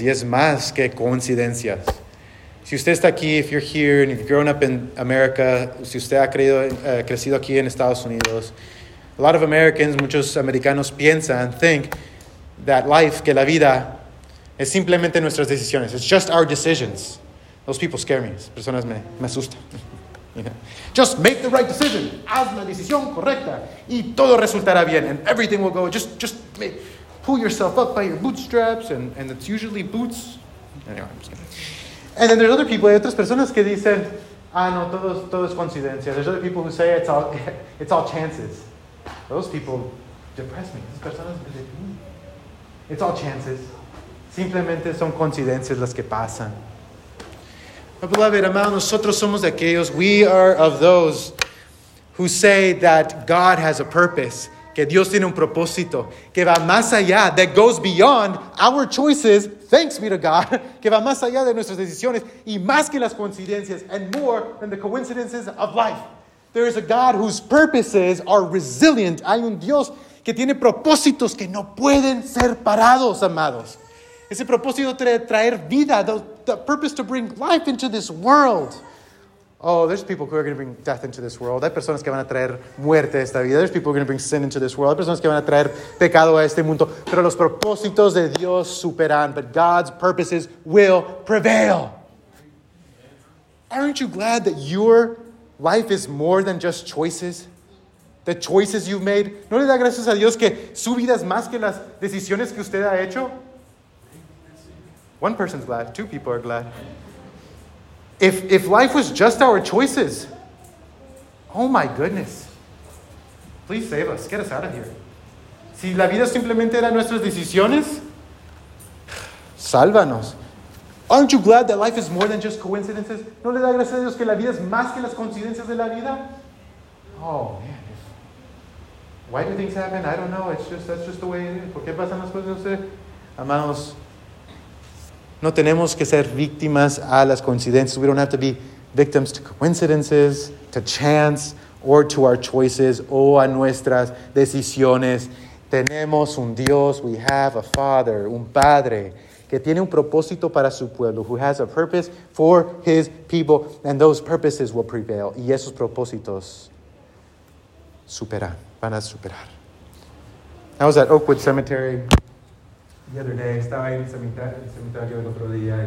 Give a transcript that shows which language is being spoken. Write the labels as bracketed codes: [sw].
[es] Y es más que coincidencias. Si usted está aquí, [en] if you're here and you've grown up in America, [es] si usted ha crecido aquí en Estados Unidos, [en] a lot of Americans, [es] muchos americanos piensan, [en] think that life, [es] que la vida, es simplemente nuestras decisiones. [en] It's just our decisions. Those people scare me. [es] Personas me asustan. [en] Just make the right decision. [es] Haz la decisión correcta. Y todo resultará bien. [en] And everything will go. Just make, pull yourself up by your bootstraps. And it's usually boots. Anyway, I'm just kidding. And then there's other people. [es] Hay otras personas que dicen, ah, no, todo es coincidencia. [en] There's other people who say it's all chances. Those people depress me. [es] Esas personas me deprimen. [en] It's all chances. [es] Simplemente son coincidencias las que pasan. [en] Beloved, [es] amado, nosotros somos de aquellos, [en] we are of those who say that God has a purpose, [es] que Dios tiene un propósito, que va más allá, [en] that goes beyond our choices, thanks be to God, [es] que va más allá de nuestras decisiones, y más que las coincidencias, [en] and more than the coincidences of life. There is a God whose purposes are resilient. [es] Hay un Dios que tiene propósitos que no pueden ser parados, amados. Ese propósito de traer vida, [en] the purpose to bring life into this world. Oh, there's people who are going to bring death into this world. [es] Hay personas que van a traer muerte a esta vida. [en] There's people who are going to bring sin into this world. [es] Hay personas que van a traer pecado a este mundo. Pero los propósitos de Dios superan. [en] But God's purposes will prevail. Aren't you glad that your life is more than just choices? The choices you've made. [es] ¿No le da gracias a Dios que su vida es más que las decisiones que usted ha hecho? [en] One person's glad. Two people are glad. If life was just our choices, oh my goodness, please save us. Get us out of here. [es] Si la vida simplemente era nuestras decisiones, sálvanos. [en] Aren't you glad that life is more than just coincidences? [es] ¿No le da gracias a Dios que la vida es más que las coincidencias de la vida? [en] Oh, man. Why do things happen? I don't know. That's just the way it is. [es] ¿Por qué pasan las cosas? No sé. Amados, no tenemos que ser víctimas a las coincidencias. [en] We don't have to be victims to coincidences, to chance, or to our choices, o a nuestras decisiones. [es] Tenemos un Dios. [en] We have a Father, [es] un Padre, que tiene un propósito para su pueblo, [en] who has a purpose for His people, and those purposes will prevail. [es] Y esos propósitos superan, van a superar. [en] I was at Oakwood Cemetery the other day. [es] Estaba ahí en el cementerio el otro día.